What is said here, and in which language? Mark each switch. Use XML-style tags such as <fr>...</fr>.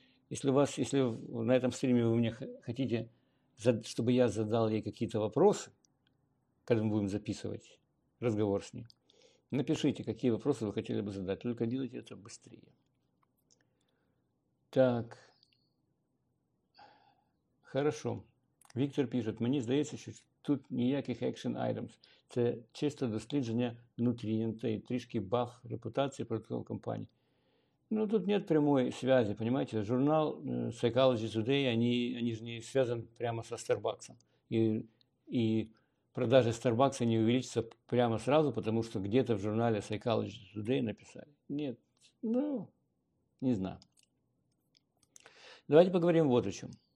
<ru>Если на этом стриме вы мне хотите, чтобы я задал ей какие-то вопросы, когда мы будем записывать разговор с ней, напишите, какие вопросы вы хотели бы задать. Только делайте это быстрее. Так. Хорошо. Виктор пишет.</ru> <uk>Мені здається, що тут ніяких action items. Це чисто дослідження нутрієнта і трішки баф репутації протокол компанії.</uk> <ru>Ну, тут нет прямой связи, понимаете? Журнал Psychology Today, они же не связаны прямо со Starbucks. И продажи Starbucks не увеличатся прямо сразу, потому что где-то в журнале Psychology Today написали. Нет, ну, не знаю. Давайте поговорим вот о чем.</ru>